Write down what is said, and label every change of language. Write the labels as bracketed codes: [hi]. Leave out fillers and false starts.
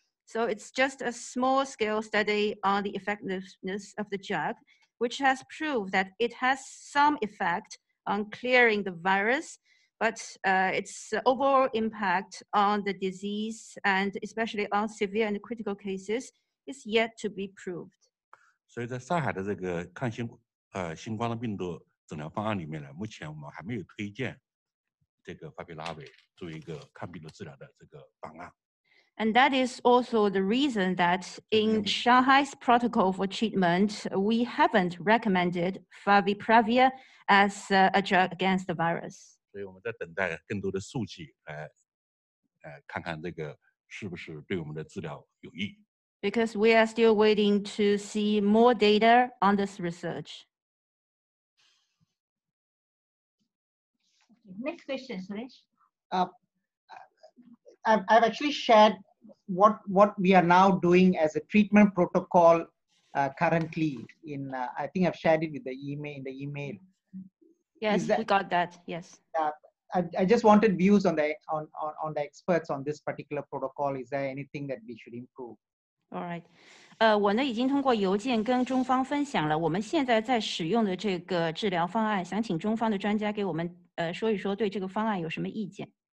[en] So it's just a small-scale study on the effectiveness of the drug, which has proved that it has some effect on clearing the virus, but its overall impact on the disease and especially on severe and critical cases is yet to be proved. [zh] 所以在上海的这个抗新新冠的病毒诊疗方案里面呢，目前我们还没有推荐这个法比拉韦作为一个抗病毒治疗的这个方案。 [en] And that is also the reason that in Shanghai's protocol for treatment, we haven't recommended favipravir as a drug against the virus. [zh] 所以我们在等待更多的数据来，看看这个是不是对我们的治疗有益。 [en] Because we are still waiting to see more data on this research. Next question, Suresh. I've actually shared what we are now doing as a treatment protocol currently. I think I've shared it with the email. Yes, we got that. Yes. I just wanted views on the experts on this particular protocol. Is there anything that we should improve? All right. [zh] 我呢已经通过邮件跟中方分享了我们现在在使用的这个治疗方案，想请中方的专家给我们说一说对这个方案有什么意见。